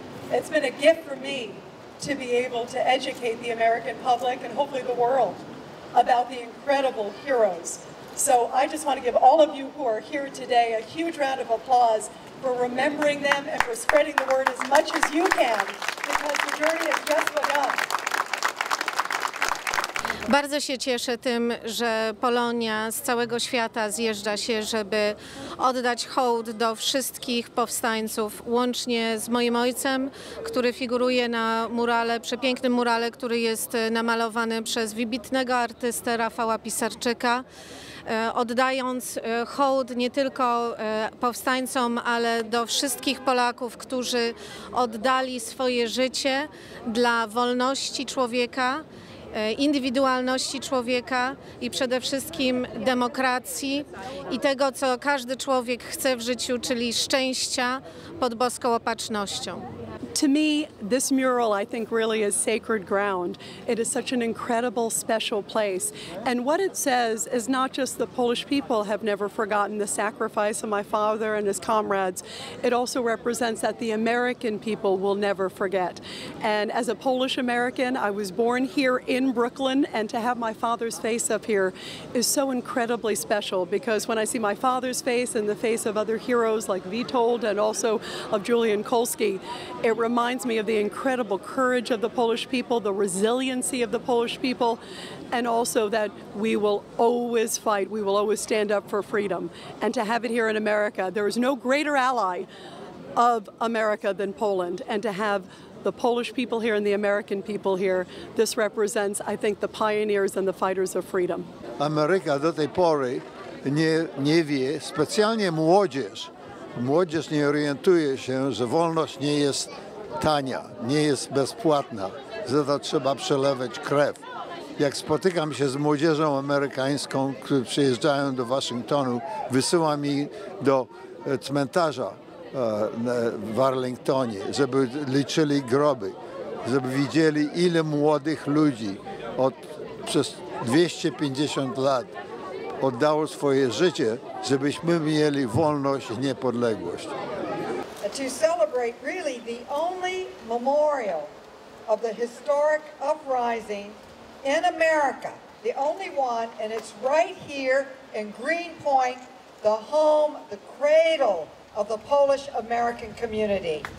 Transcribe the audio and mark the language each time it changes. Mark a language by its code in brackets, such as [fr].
[en] It's been a gift for me to be able to educate the American public and hopefully the world about the incredible heroes. So I just want to give all of you who are here today a huge round of applause for remembering them and for spreading the word as much as you can, because the journey has just begun. [pl] Bardzo się cieszę tym, że Polonia z całego świata zjeżdża się, żeby oddać hołd do wszystkich powstańców, łącznie z moim ojcem, który figuruje na murale, przepięknym murale, który jest namalowany przez wybitnego artystę Rafała Pisarczyka, oddając hołd nie tylko powstańcom, ale do wszystkich Polaków, którzy oddali swoje życie dla wolności człowieka, indywidualności człowieka i przede wszystkim demokracji i tego, co każdy człowiek chce w życiu, czyli szczęścia pod boską opatrznością. [en] To me, this mural, I think, really is sacred ground. It is such an incredible, special place. And what it says is not just the Polish people have never forgotten the sacrifice of my father and his comrades. It also represents that the American people will never forget. And as a Polish American, I was born here in Brooklyn, and to have my father's face up here is so incredibly special, because when I see my father's face and the face of other heroes like Witold and also of Julian Kolski, it reminds me of the incredible courage of the Polish people, the resiliency of the Polish people, and also that we will always fight, we will always stand up for freedom. And to have it here in America, there is no greater ally of America than Poland. And to have the Polish people here and the American people here, this represents, I think, the pioneers and the fighters of freedom. [pl] America do tej pory nie wie, specjalnie młodzież. Młodzież nie orientuje się, że wolność nie jest tania, nie jest bezpłatna, za to trzeba przelewać krew. Jak spotykam się z młodzieżą amerykańską, którzy przyjeżdżają do Waszyngtonu, wysyłam ich do cmentarza w Arlingtonie, żeby liczyli groby, żeby widzieli, ile młodych ludzi przez 250 lat oddało swoje życie, żebyśmy mieli wolność i niepodległość. [en] To celebrate really the only memorial of the historic uprising in America, the only one, and it's right here in Greenpoint, the home, the cradle of the Polish-American community.